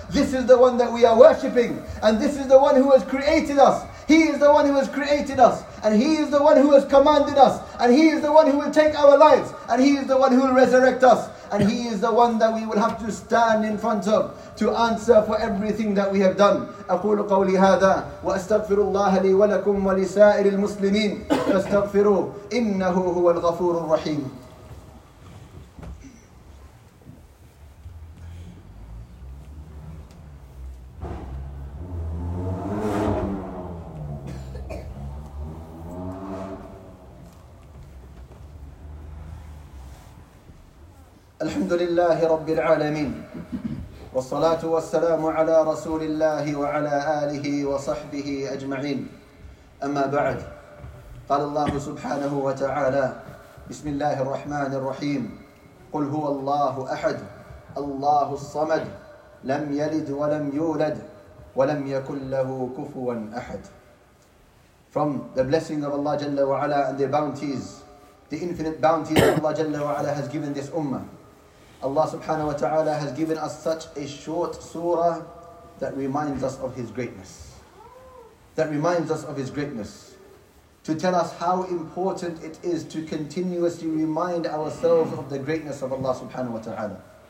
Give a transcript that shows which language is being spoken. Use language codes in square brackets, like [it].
[en] This is the one that we are worshipping. And this is the one who has created us. He is the one who has created us. And He is the one who has commanded us. And He is the one who will take our lives. And He is the one who will resurrect us. And He is the one that we will have to stand in front of to answer for everything that we have done. [ar] أقول قولي هذا وأستغفر الله لي ولكم ولسائر المسلمين فاستغفروا إنه هو الغفور الرحيم. الحمد لله رب العالمين والصلاة والسلام على رسول الله وعلى آله وصحبه أجمعين. أما بعد, قال الله سبحانه وتعالى, بسم الله الرحمن الرحيم, قل هو الله أحد الله الصمد لم يلد ولم يولد ولم يكن له كفوا أحد. [en] From the blessing of Allah جل وعلا and the bounties, the infinite bounties that Allah جل وعلا has given this ummah, Allah subhanahu wa ta'ala has given us such a short surah that reminds us of His greatness. That reminds us of His greatness. To tell us how important it is to continuously remind ourselves of the greatness of Allah subhanahu wa ta'ala.